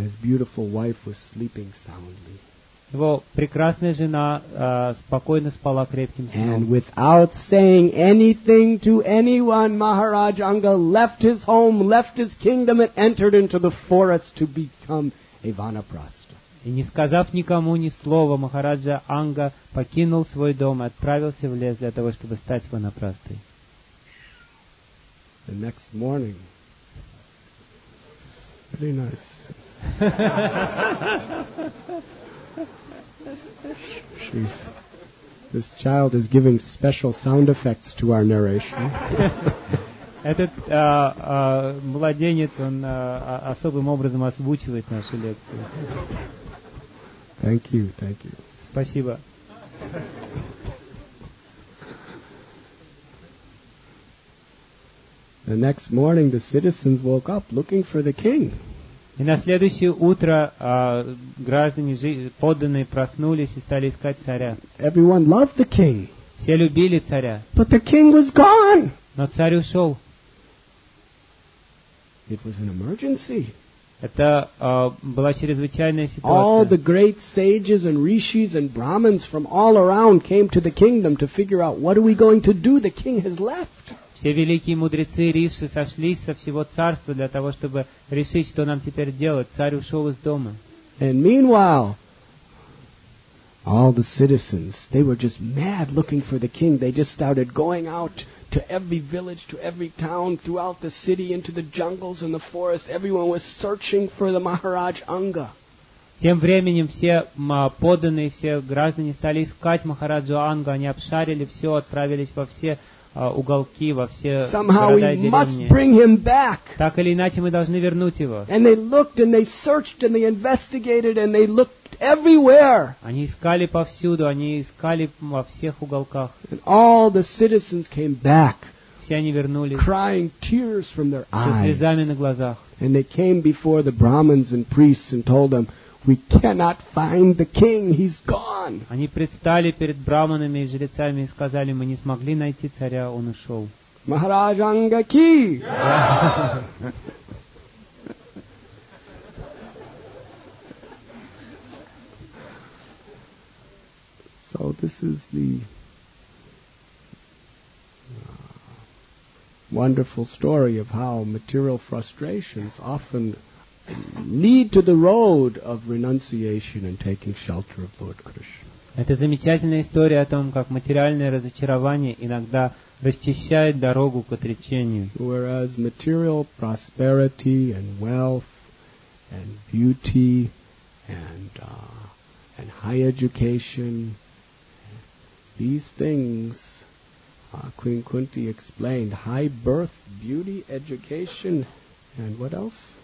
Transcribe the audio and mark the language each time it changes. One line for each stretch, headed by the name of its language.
English: His beautiful wife was sleeping soundly.
Russian: Его прекрасная жена спокойно спала крепким сном.
English: And without saying anything to anyone, Maharaj Anga left his home, left his kingdom and entered into the forest to become a vanaprastha.
Russian: И не сказав никому ни слова, Махараджа Анга покинул свой дом и отправился в лес для того, чтобы стать ванапрастой.
English: The next morning. Pretty nice. This child is giving special sound effects to our narration.
Russian: Этот младенец, он особым образом озвучивает нашу лекцию.
English: Thank you, thank you.
Russian: Спасибо.
English: The next morning, the citizens woke up looking for the king.
Russian: И на следующее утро граждане, подданные, проснулись и стали искать царя.
English: Everyone loved the king.
Russian: Все любили царя.
English: But the king was gone.
Russian: Но царь ушел.
English: It was an emergency.
Russian: Это была чрезвычайная ситуация.
English: All the great sages and rishis and brahmins from all around came to the kingdom to figure out what are we going to do. The king has left.
Russian: Все великие мудрецы, риши сошлись со всего царства для того, чтобы решить, что нам теперь делать. Царь ушел из дома.
English: And meanwhile, all the citizens, they were just mad looking for the king. They just started going out to every village, to every town, throughout the city, into the jungles and the forest. Everyone was searching for the Maharaj Anga.
Russian: Тем временем все подданные, все граждане стали искать Махараджу Анга. Они обшарили все, отправились во все уголки, во все города и деревни.
English: Somehow we must bring him back.
Russian: Так или иначе, мы должны вернуть его.
English: And they looked and they searched and they investigated and they looked everywhere.
Russian: Они искали повсюду, они искали во всех уголках.
English: And all the citizens came back.
Russian: Все они вернулись.
English: Crying tears from their eyes.
Russian: Со слезами на глазах.
English: And they came before the brahmins and priests and told them, "We cannot find the king. He's gone."
Russian: Они предстали перед браманами и жрецами и сказали: "Мы не смогли найти царя, он ушел."
English: Maharaj Anga ki. So this is the wonderful story of how material frustrations often lead to the road of renunciation and taking shelter of Lord Krishna.
Russian: Это замечательная история о том, как материальное разочарование иногда расчищает дорогу к отречению.
English: Whereas material prosperity and wealth and beauty and high education, these things, Queen Kunti explained, high birth, beauty, education, and what else?